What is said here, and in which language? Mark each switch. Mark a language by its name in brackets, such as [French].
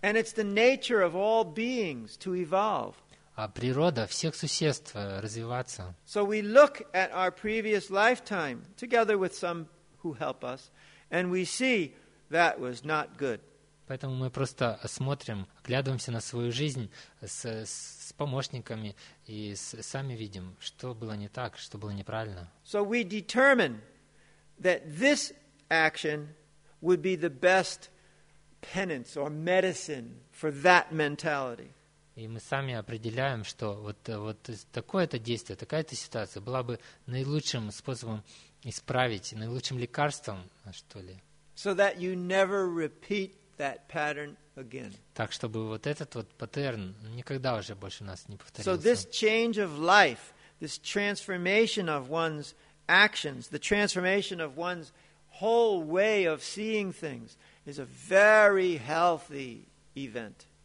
[English] And it's the nature of all beings to evolve. [Russian] А природа всех существ развиваться. [English] So we look at our previous lifetime together with some who help us, and we see that was not good. [Russian] Поэтому мы просто смотрим, оглядываемся на свою жизнь с помощниками и сами видим, что было не так, что было неправильно. [English] So we determine that this action would be the best penance or medicine for that mentality. [Russian] И мы сами определяем, что вот такое-то действие, такая-то ситуация была бы наилучшим способом исправить, наилучшим лекарством, что ли. [English] So that you never repeat that pattern again. [Russian] Так, чтобы вот этот вот паттерн никогда уже больше у нас не повторился. [English] So this change of life, this transformation of one's actions, the transformation of one's whole way of seeing things is a very healthy event.